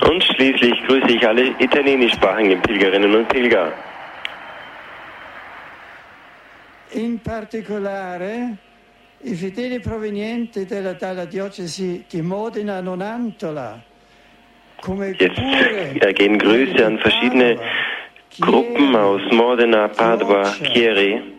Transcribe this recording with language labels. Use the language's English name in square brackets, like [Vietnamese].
[German] Und schließlich grüße ich alle italienischsprachigen Pilgerinnen und Pilger. [Italian] In particolare, i fedeli provenienti dalla diocesi di Modena Nonantola. [German] Jetzt gehen Grüße an verschiedene Gruppen aus Modena, Padua, Chieri,